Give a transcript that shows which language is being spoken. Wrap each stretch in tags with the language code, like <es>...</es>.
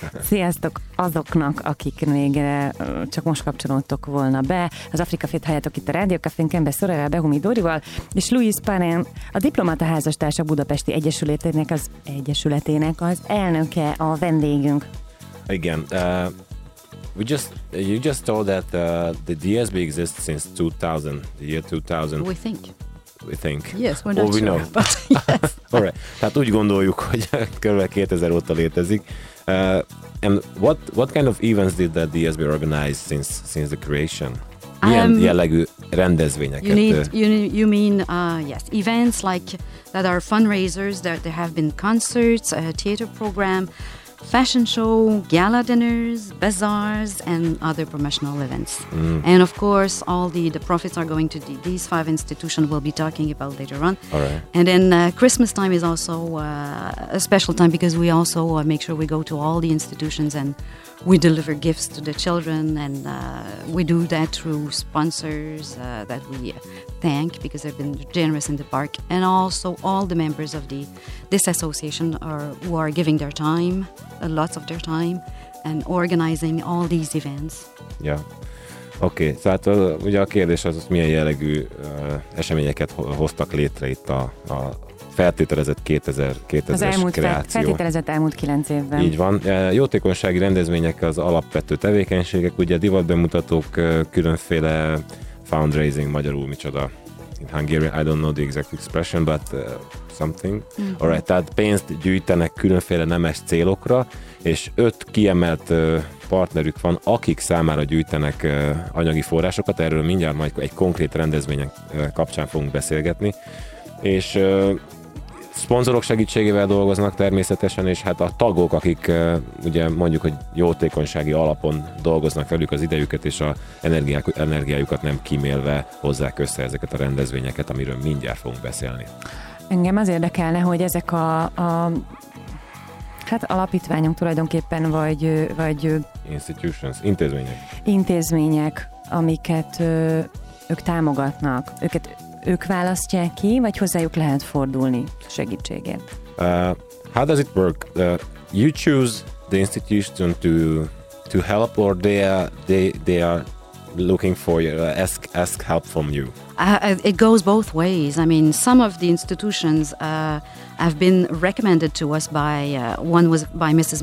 <hu>Sziasztok azoknak, akik még csak most kapcsolódtok volna be. Az Afrika film halljátok itt a Rádió Cafén Kembe Szorára Behumi Dórival, és Louis Panen, a Diplomata Házastársa Budapesti Egyesületének az Egyesületének az elnöke, a vendégünk. Igen.</hu> <en>You just told that the DSB exists since 2000, the year 2000. We think. Yes, we're not sure. Know. But yes. All right.</en> <hu>Tehát úgy gondoljuk, hogy körülbelül 2000 óta létezik.</hu> <en>And what kind of events did the DSB organize since the creation?</en> <hu>Milyen jellegű rendezvényeket?</hu> <en>You mean, events like that are fundraisers, that there have been concerts, a theater program, fashion show, gala dinners, bazaars, and other promotional events. Mm. And of course, all the profits are going to these five institutions we'll be talking about later on. All right. And then Christmas time is also a special time because we also make sure we go to all the institutions and we deliver gifts to the children, and we do that through sponsors that we thank because they've been generous in the park. And also all the members of this association who are giving their time, lots of their time, and organizing all these events. Yeah. Oké, okay.</en> <hu>Tehát ugye a kérdés az, hogy milyen jellegű eseményeket hoztak létre itt a feltételezett 2000-es kreáció. Feltételezett elmúlt 9 évben. Így van. Jótékonysági rendezvények az alapvető tevékenységek, ugye divatbemutatók, különféle fundraising, magyarul micsoda.</hu> <en>In Hungary, I don't know the exact expression, but something. Mm-hmm. All right,</en> <hu>tehát pénzt gyűjtenek különféle nemes célokra, és 5 kiemelt partnerük van, akik számára gyűjtenek anyagi forrásokat, erről mindjárt majd egy konkrét rendezvények kapcsán fogunk beszélgetni, és szponzorok segítségével dolgoznak természetesen, és hát a tagok, akik ugye mondjuk, hogy jótékonysági alapon dolgoznak velük az idejüket, és az energiájukat nem kimélve hozzák össze ezeket a rendezvényeket, amiről mindjárt fogunk beszélni. Engem az érdekelne, hogy ezek a hát alapítványunk tulajdonképpen, vagy institutions, intézmények. Intézmények, amiket ők támogatnak, őket ők választják ki, vagy hozzájuk lehet fordulni segítségért?</hu> <en>How does it work? You choose the institution to help, or they are looking for you, ask help from you? It goes both ways. I mean, some of the institutions have been recommended to us by, one was by Mrs.</en>